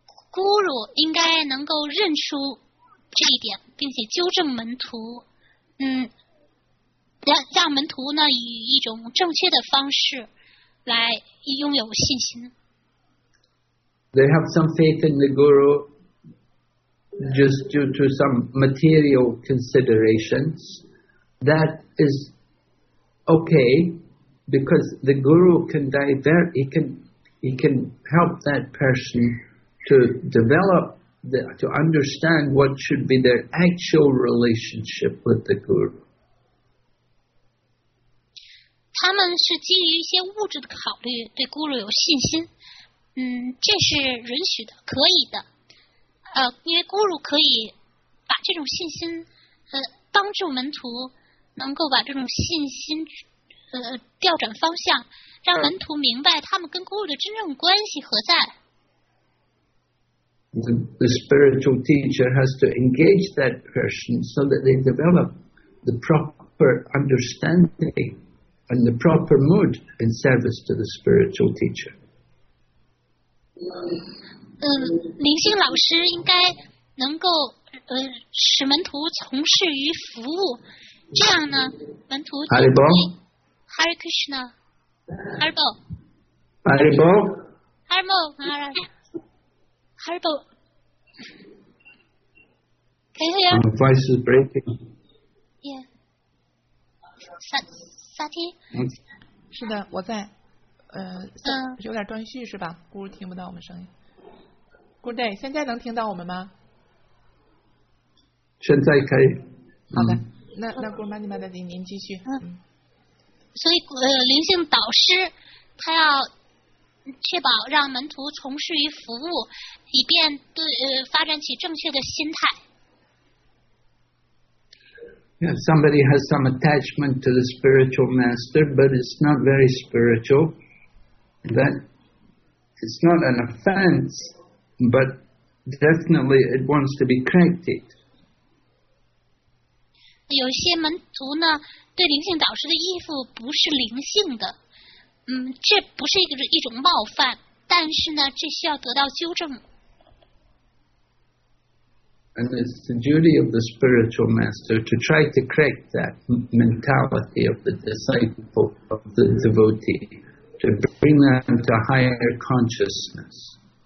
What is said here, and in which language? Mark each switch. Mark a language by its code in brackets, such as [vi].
[zh] Guru 应该能够认出这一点，并且纠正门徒，让门徒呢以一种正确的方式来拥有信心。 [en] They have some faith in the Guru just due to some material considerations. That is okay because the Guru can divert, he can help that person to develop, to understand what should be their actual relationship with the Guru. [zh] 他们是基于一些物质的考虑，对 Guru 有信心。这是允许的，可以的。因为 Guru 可以把这种信心，帮助门徒能够把这种信心，调转方向。让门徒明白他们跟 Guru 的真正关系何在。 [en] The spiritual teacher has to engage that person so that they develop the proper understanding and the proper mood in service to the spiritual teacher. [zh] 灵性老师应该能够使门徒从事于服务，这样呢门徒就会 [sa] Hare Krishna Haribol Haribol [en] Haribol Maharaj Haribol Can you hear? My voice is breaking. Yeah. Sati? [zh] 是的，我在。有点断续是吧？姑姑听不到我们声音。 [en] Good day, [zh] 现在能听到我们吗？现在可以。好的，那姑姑妈的您继续。所以灵性导师他要确保让门徒从事于服务，以便对发展起正确的心态。 [en] Yeah, somebody has some attachment to the spiritual master, but it's not very spiritual. That it's not an offense, but definitely it wants to be corrected. [zh] 有些门徒呢，对灵性导师的依附不是灵性的，这不是一种冒犯，但是呢，这需要得到纠正。 [en] And it's the duty of the spiritual master to try to correct that mentality of the disciple, of the devotee, to bring them to higher consciousness.